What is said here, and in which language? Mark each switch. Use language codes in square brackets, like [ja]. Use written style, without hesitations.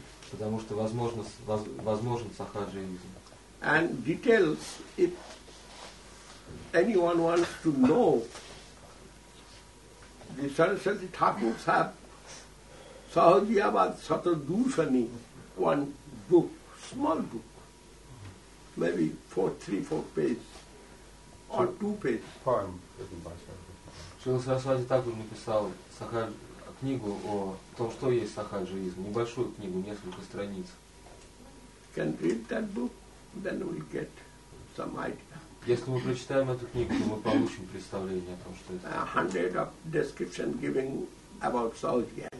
[ru] Потому что возможен сахаджаизм. [en] And details, if anyone wants to know, the Saraswati Thakurs have Sahajiyabad Satadushani, one book, small book, maybe three, four pages, or two pages. Poem. [ru] Шрила Сарасвати Тхакур написал книгу о том, что есть сахаджаизм. Небольшую книгу, несколько страниц. [en] Can read that book, then we'll get some idea. [ru] Если мы прочитаем эту книгу, то мы получим представление о том, что это. [en] 100 of description giving about sahajiyism.